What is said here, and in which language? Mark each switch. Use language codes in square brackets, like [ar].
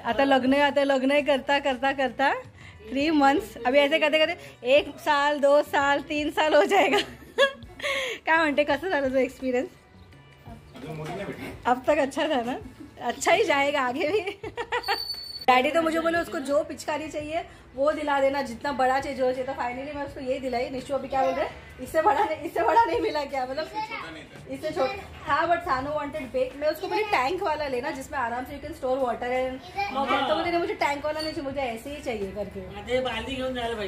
[mr] आता लग्न करता [hi] 3 मंथ्स, अभी ऐसे करते करते 1 साल 2 साल 3 साल हो जाएगा। [mr] काय म्हणते, कसं झालं तो एक्सपिरियन्स? [hi] अब तक अच्छा था ना, अच्छा ही जाएगा आगे भी। डॅडी तो मुझे बोले उसको जो पिचकारी चाहिए वो दिला देना, जितना बड़ा चाहिए जो चाहिए। तो फाइनली मैं उसको यही दिलाई। निशु अभी क्या बोल रहे, इससे बड़ा नहीं मिला क्या, मतलब इससे छोटा। हाँ बट सानू वांटेड बिग। मैं उसको पहले टैंक वाला लेना जिसमें आराम से [en] you can store water and, [hi] तो मुझे टैंक वाला नहीं चाहिए, मुझे ऐसे ही चाहिए करके।